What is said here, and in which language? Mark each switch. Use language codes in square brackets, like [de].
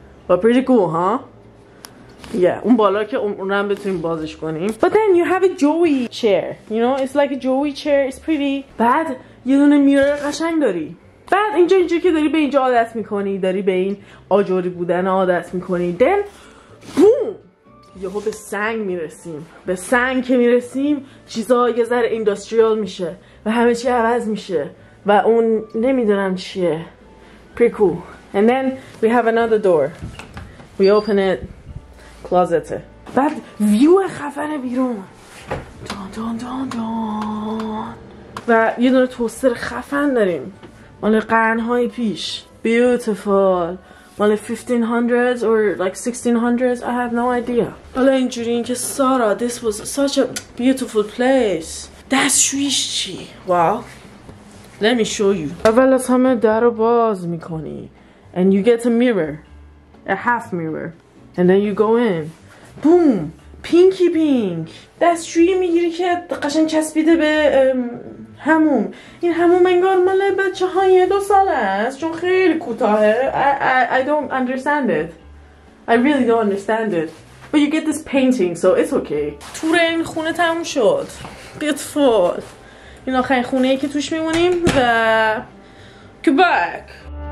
[en] But pretty cool, [fa] ها؟ Yeah, اون بالا که اون هم بتونیم بازش کنیم. [en] But then you have a Joey chair. You know, it's like a Joey chair. It's pretty. [fa] بعد یه دونه میرور قشنگ داری. بعد اینجا که داری به اینجا عادت میکنی، داری به این آجوری بودن عادت میکنی. [en] Then boom! [fa] یهو به سنگ میرسیم. به سنگ که میرسیم چیزا یه ذره اندستریال میشه و همه چی عوض میشه و اون نمیدونم چیه. [en] Pretty cool. And then we have another door. We open it. Closet. [fa] بعد ویو خفن بیرون. دان دان دان دان. و یه دونه توستر خفن داریم. مال قرن‌های پیش. بیوتیفول. [en] مال 1500s or like 1600s. I have no idea. [fa] حالا اینجوری این که سارا [en] this was such a beautiful place. [fa] دستشویش چی؟ Wow. [en] Let me show you. [fa] اول از همه در رو باز میکنی. [en] And you get a mirror. A half mirror. And then you go in. Boom! Pinky pink! [fa] دستشویی میگیری که قشنگ چسبیده به هموم. این هموم انگار مال بچه های 2 ساله است چون خیلی کوتاهه. [en] I don't understand it. I really don't understand it. But you get this painting, so it's okay. [fa] تور این خونه تموم شد. Beautiful. این آخرین خونه ای که توش میمونیم و... Quebec!